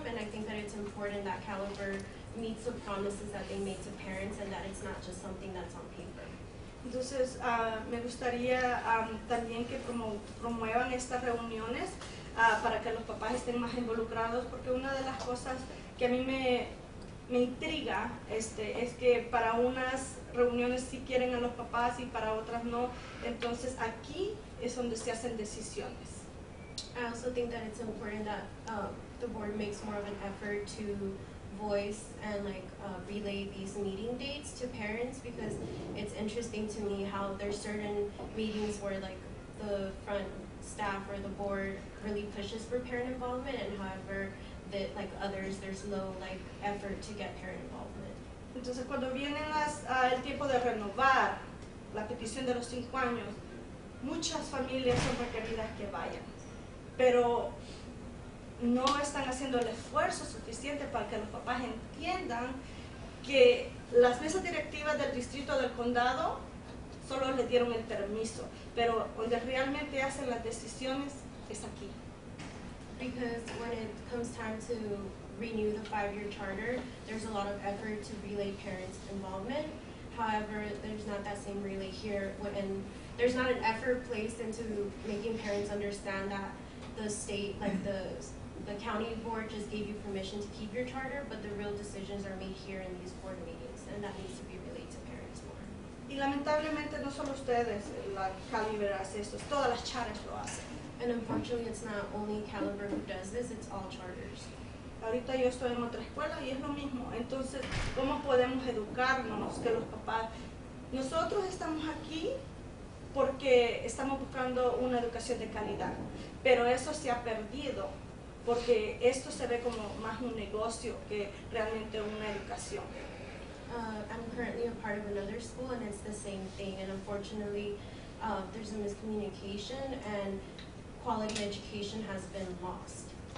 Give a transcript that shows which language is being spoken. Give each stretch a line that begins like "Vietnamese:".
English: And I think that it's important that Caliber meets the promises that they made to parents and that it's not just something that's on paper.
Spanish: Entonces, me gustaría también que promuevan estas reuniones para que los papás estén más involucrados, porque una de las cosas que a mí me intriga es que para unas reuniones sí quieren a los papás y para otras no. Entonces, aquí es donde se hacen decisiones.
English: I also think that it's important that the board makes more of an effort to voice and relay these meeting dates to parents, because it's interesting to me how there's certain meetings where the front staff or the board really pushes for parent involvement, and however that others there's low effort to get parent involvement.
Spanish: Entonces cuando vienen el tiempo de renovar la petición de los 5 años, muchas familias son requeridas que vayan, pero no están haciendo el esfuerzo suficiente para que los papás entiendan que las mesas directivas del distrito del condado solo les dieron el permiso, pero donde realmente hacen las decisiones es aquí.
English: Because when it comes time to renew the 5-year charter, there's a lot of effort to relay parents' involvement. However, there's not that same relay here, and there's not an effort placed into making parents understand that the state, the county board just gave you permission to keep your charter, but the real decisions are made here in these board meetings, and that needs to be relayed to parents more.
Spanish: Y lamentablemente no solo ustedes, Caliber hace esto, todas las charters lo hacen.
English: And unfortunately, it's not only Caliber who does this, it's all charters.
Spanish: Ahorita yo estoy en otra escuela y es lo mismo. Entonces, ¿cómo podemos educarnos que los papás? Nosotros estamos aquí porque estamos buscando una educación de calidad, pero eso se ha perdido. Porque esto se ve como más un negocio que realmente una educación.
English: I'm currently a part of another school and it's the same thing. And unfortunately, there's a miscommunication and quality education has been lost.